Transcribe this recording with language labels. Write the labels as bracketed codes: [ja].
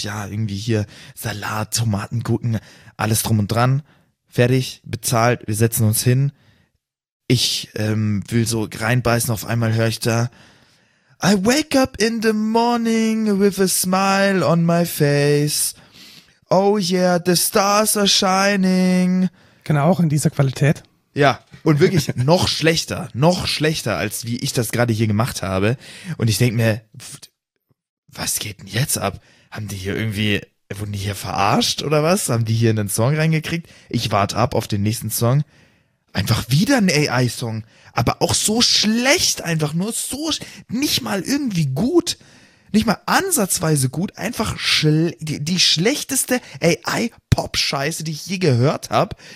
[de] Ja, irgendwie hier Salat, Tomaten, Gurken, alles drum und dran. Fertig, bezahlt, wir setzen uns hin. Ich will so reinbeißen, auf einmal höre ich da, [en] I wake up in the morning with a smile on my face. Oh yeah, the stars are shining. [de] Genau, auch in dieser Qualität. Ja, und wirklich noch schlechter, als wie ich das gerade hier gemacht habe. Und ich denke mir, was geht denn jetzt ab? Haben die hier irgendwie, wurden die hier verarscht oder was? Haben die hier einen Song reingekriegt? Ich warte ab auf den nächsten Song. Einfach wieder ein AI-Song, aber auch so schlecht einfach, nur so, nicht mal irgendwie gut, nicht mal ansatzweise gut, einfach die schlechteste AI-Pop-Scheiße, die ich je gehört habe.